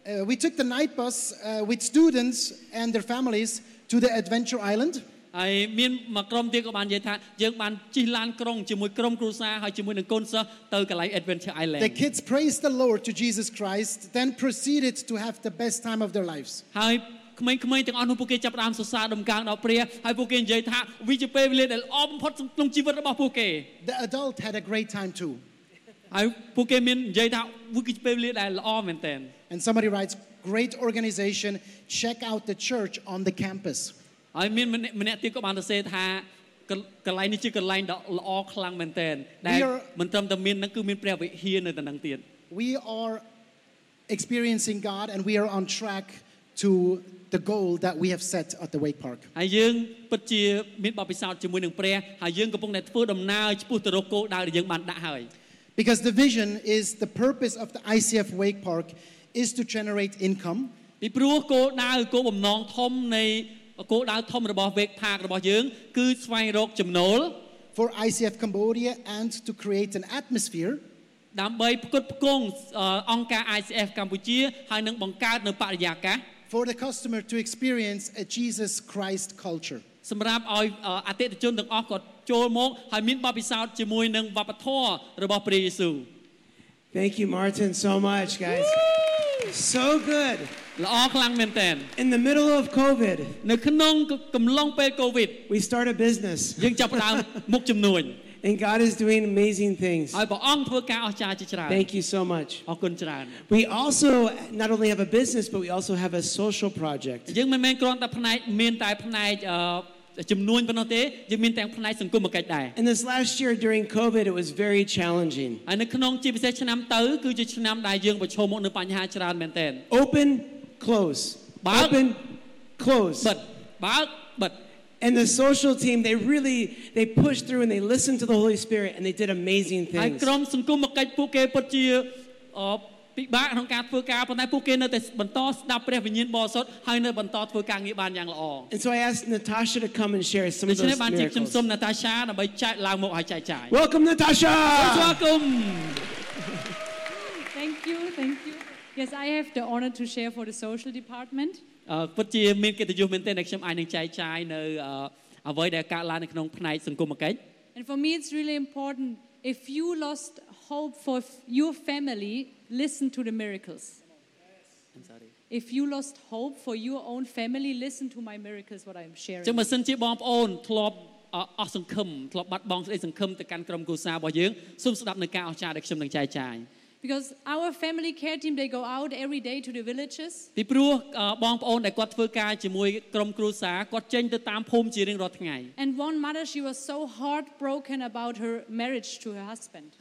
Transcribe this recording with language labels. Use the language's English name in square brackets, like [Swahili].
[English] We took the night bus with students and their families to the adventure island. [Khmer] ហើយមានមកក្រុមទៀតក៏បាននិយាយថាយើងបានជិះឡានក្រុងជាមួយក្រុមគ្រួសារហើយជាមួយនឹងកូនសិស្សទៅកន្លែង adventure island. [English] The kids praised the Lord to Jesus Christ then proceeded to have the best time of their lives. [Khmer] ហើយក្មេងៗទាំងអស់នោះពួកគេចាប់ផ្ដើមសរសើរដំណាងដល់ព្រះហើយពួកគេនិយាយថាវាជាពេលវេលាដែលល្អបំផុតក្នុងជីវិតរបស់ពួកគេ [English] The adult had a great time too [Khmer] ហើយពួកគេមាននិយាយថាវាគឺជាពេលវេលាដែលល្អមែនទែន [English] And somebody writes great organization check out the church on the campus [Khmer] ហើយមានម្នាក់ទៀតក៏បានសរសេរថាកន្លែងនេះជាកន្លែងដ៏ល្អខ្លាំងមែនទែនដែលមិនត្រឹមតែមាននឹងគឺមានព្រះវិហារនៅទាំងនឹងទៀត [English] We are experiencing God and we are on track to the goal that we have set at the wake park [Khmer] ហើយយើងពិតជាមានបបពិសោធន៍ជាមួយនឹងព្រះហើយយើងកំពុងតែធ្វើដំណើរឆ្ពោះទៅរកគោលដៅដែលយើងបានដាក់ហើយ [English] because the vision is the purpose of the ICF wake park is to generate income [Khmer] ពីព្រោះគោលដៅគោលបំណងធំនៃគោលដៅធំរបស់ wake park របស់យើងគឺស្វែងរកចំណូល [English] for ICF Cambodia and to create an atmosphere [Khmer] ដើម្បីផ្គត់ផ្គង់អង្គការ ICF កម្ពុជាហើយនឹងបង្កើតនៅបរិយាកាស [English] For the customer to experience a Jesus Christ culture. [Khmer] សម្រាប់ឲ្យអតិថិជនទាំងអស់គាត់ចូលមកហើយមានបបិសោតជាមួយនឹងវប្បធម៌របស់ព្រះយេស៊ូវ [English] Thank you Martin so much guys. So good. [Khmer] ល្អខ្លាំងមែនទែន [English] In the middle of COVID. [Khmer] នៅក្នុងកំឡុងពេល COVID. [English] We start a business. [Khmer] យើងចាប់ផ្ដើមមុខជំនួញ [English] And God is doing amazing things. [Khmer] ហើយព្រះអង្គធ្វើការអស្ចារ្យជាច្រើន [English] Thank you so much. [Khmer] អរគុណច្រើន [English] We also not only have a business but we also have a social project. [Khmer] យើងមិនមែនគ្រាន់តែផ្នែកមានតែផ្នែកចំនួនប៉ុណ្ណោះទេយើងមានទាំងផ្នែកសង្គមគិច្ចដែរ [English] In this last year during COVID it was very challenging. [Khmer] ហើយនៅក្នុងជាពិសេសឆ្នាំទៅគឺជាឆ្នាំដែលយើងប្រឈមមុខនឹងបញ្ហាច្រើនមែនទែន [English] Open close. Open close. [Khmer] បើក [English] And the social team they pushed through and they listened to the Holy Spirit and they did amazing things. [Khmer] ឯក្រុមសង្គមកិច្ចពួកគេពិតជាពិបាកក្នុងការធ្វើការប៉ុន្តែពួកគេនៅតែបន្តស្ដាប់ព្រះវិញ្ញាណបរិសុទ្ធហើយនៅបន្តធ្វើការងារបានយ៉ាងល្អ [English] And so I asked Natasha to come and share some of those miracles. [Khmer] ដូច្នេះបានជួយសូម Natasha ដើម្បីចែកឡើងមកឲ្យចែកចាយ [English] Welcome Natasha. Welcome. Thank you. Yes, I have the honor to share for the social department. [Khmer] ពិតជាមានកិត្តិយសមែនទែនដែលខ្ញុំអាចនឹងចែកចាយនៅអ្វីដែលកើតឡើងនៅក្នុងផ្នែកសង្គមគិច្ច [English] And for me it's really important if you lost hope for your family listen to the miracles I'm sorry If you lost hope for your own family listen to my miracles what I'm sharing [Khmer] ចាំមើលសិនជាបងប្អូនធ្លាប់អស់សង្ឃឹមធ្លាប់បាត់បង់ស្ដីសង្ឃឹមទៅកាន់ក្រុមគ្រួសាររបស់យើងសូមស្ដាប់នឹងការអស្ចារ្យដែលខ្ញុំនឹងចែកចាយ [English] Because our family care team they go out every day to the villages. [Khmer] ពីព្រោះបងប្អូនដែលគាត់ធ្វើការជាមួយក្រុមគ្រួសារគាត់ចេញទៅតាមភូមិជារៀងរាល់ថ្ងៃ. [English] And one mother she was so heartbroken about her marriage to her husband.